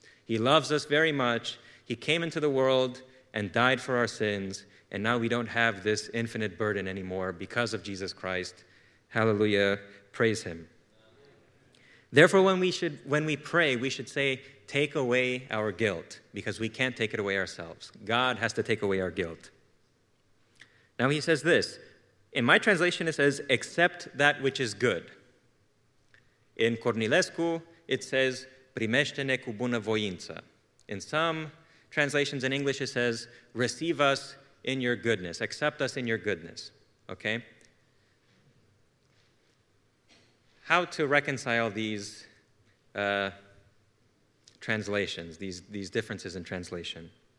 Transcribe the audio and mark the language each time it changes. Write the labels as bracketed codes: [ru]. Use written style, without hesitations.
[en] He loves us very much. He came into the world and died for our sins, and now we don't have this infinite burden anymore because of Jesus Christ. Hallelujah. Praise him. Therefore, when we pray, we should say, take away our guilt, because we can't take it away ourselves. God has to take away our guilt. Now he says this. In my translation, it says, accept that which is good. In Cornilescu, it says, [ro] primește-ne cu bună voință. [en] In some translations in English, it says, receive us in your goodness. Accept us in your goodness. Okay? How to reconcile these translations, these differences in translation?